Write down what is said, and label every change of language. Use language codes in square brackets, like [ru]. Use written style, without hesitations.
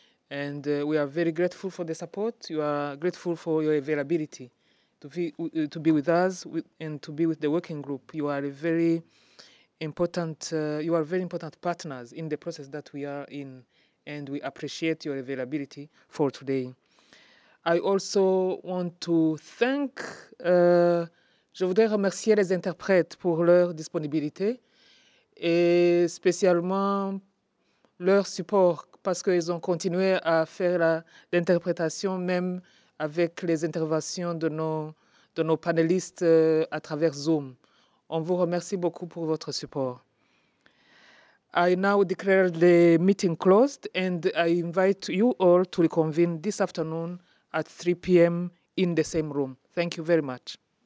[en] And we are very grateful for the support. You are grateful for your availability to be with us and to be with the working group. You are a very important, you are very important partners in the process that we are in, and we appreciate your availability for today. I also want to thank, [fr] je voudrais remercier les interprètes pour leur disponibilité et spécialement leur support parce qu'ils ont continué à faire l'interprétation même avec les interventions de nos panélistes à travers Zoom. On vous remercie beaucoup pour votre support. [en] I now declare the meeting closed and I invite you all to reconvene this afternoon at 3 p.m. in the same room. Thank you very much.